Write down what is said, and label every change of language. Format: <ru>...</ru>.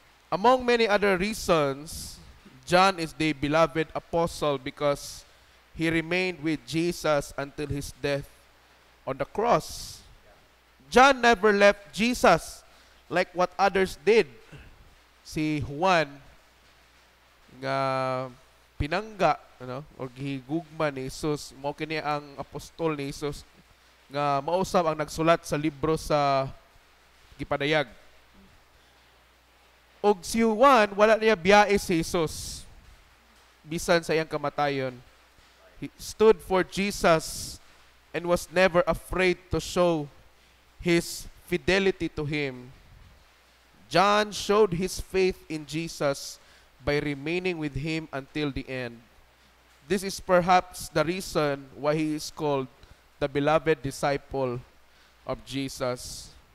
<en>Among many other reasons, John is the Beloved Apostle because he remained with Jesus until his death on the cross. John never left Jesus like what others did.</en> <ceb>Si Juan, nga pinangga, ano, or gihigugma ni Jesus, mao kini ang apostol ni Jesus, nga mausab ang nagsulat sa libro sa Gipadayag. Og si Juan, wala niya biyae si Jesus, bisan sa iyang kamatayon.</ceb> <en>He stood for Jesus and was never afraid to show his fidelity to him. John showed his faith in Jesus by remaining with him until the end. This is perhaps the reason why he is called the beloved disciple of Jesus.</en>